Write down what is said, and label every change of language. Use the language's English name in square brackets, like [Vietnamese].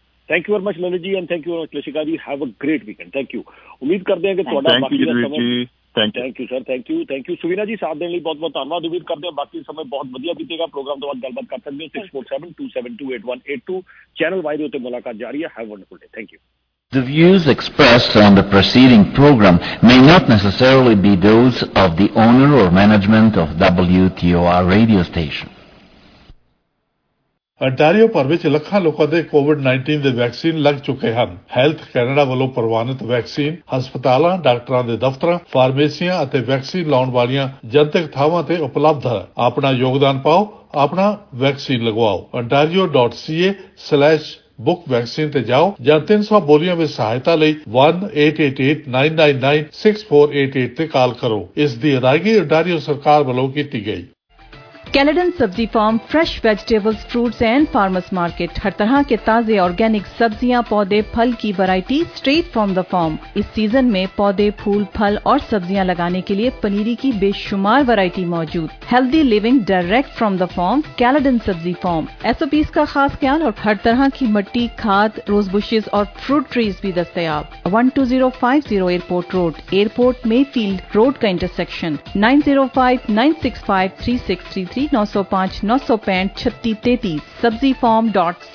[English] thank you very much Lalit ji and thank you very much Lashika ji have a great weekend thank you [Hindi] उम्मीद करते हैं कि [English] thank you sir thank you [Hindi] Suvina जी साथ देने लिए बहुत बहुत धन्यवाद उम्मीद करते हैं बाकी समय बहुत बढ़िया बीतेगा प्रोग्राम तो बाद गलबात कर सकते हो 6472728182 चैनल वाई दे मुलाकात जारी है [English] Have a wonderful day thank you The views expressed on the preceding program may not necessarily be those of the owner or management of WTOR radio station. [Punjabi] Ontario ਭਰ ਵਿੱਚ ਲੱਖਾਂ ਲੋਕਾਂ ਦੇ ਕੋਵਿਡ-19 ਦੇ vaccine ਲੱਗ ਚੁੱਕੇ ਹਨ ਹੈਲਥ ਕੈਨੇਡਾ ਵੱਲੋਂ ਪ੍ਰਵਾਨਿਤ ਵੈਕਸੀਨ ਹਸਪਤਾਲਾਂ ਡਾਕਟਰਾਂ ਦੇ ਦਫ਼ਤਰਾਂ ਫਾਰਮੇਸੀਆਂ ਅਤੇ ਵੈਕਸੀਨ ਲਾਉਣ ਵਾਲੀਆਂ ਜਨਤਕ ਥਾਵਾਂ ਤੇ ਉਪਲਬਧ ਹੈ ਆਪਣਾ ਯੋਗਦਾਨ ਪਾਓ ਆਪਣਾ ਵੈਕਸੀਨ ਲਗਵਾਓ ontario.ca/bookvaccine ਤੇ ਜਾਓ ਜਾਂ 300 ਬੋਲੀਆਂ ਵਿੱਚ ਸਹਾਇਤਾ ਲਈ 1-888-999-6488 ਤੇ ਕਾਲ ਕਰੋ ਇਸ ਦੀ ਅਦਾਇਗੀ ਅੰਟਾਰੀਓ ਸਰਕਾਰ ਵੱਲੋਂ ਕੀਤੀ ਗਈ [Hindi] कैलेडन सब्जी farm [English] fresh vegetables fruits and farmers market [Hindi] हर तरह के ताजे ऑर्गेनिक सब्जियां पौधे फल की variety [English] straight from the farm [Hindi] इस सीजन में पौधे फूल फल और सब्जियां लगाने के लिए पनीरी की बेशुमार वैरायटी मौजूद [English] healthy living direct from the farm [Hindi] Caledon सब्जी फार्म SOPs का खास ख्याल और हर तरह की मिट्टी खाद रोज बुशेज और फ्रूट ट्रीज भी दस्तयाब 12050 airport road airport Mayfield road का इंटरसेक्शन 9059653633 905-965-3633 sabzifarm.ca